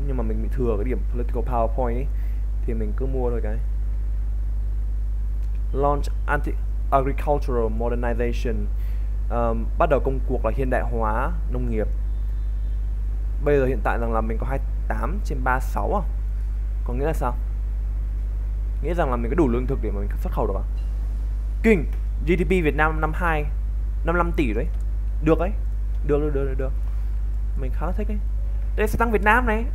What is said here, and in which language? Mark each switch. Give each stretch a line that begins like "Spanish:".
Vietnamese: Nhưng mà mình bị thừa cái điểm
English: political power point
Vietnamese: ấy. Thì mình cứ mua thôi cái.
English: Launch anti-agricultural modernization.
Vietnamese: Bắt đầu công cuộc là hiện đại hóa nông nghiệp. Bây giờ hiện tại rằng là mình có 28 trên 36 à? Có nghĩa là sao? Nghĩa rằng là mình có đủ lương thực để mà mình xuất khẩu được à? Kinh! GDP Việt Nam năm 2 55 tỷ đấy. Được đấy. Được được được được. Mình khá thích ấy. Đây sẽ tăng Việt Nam này.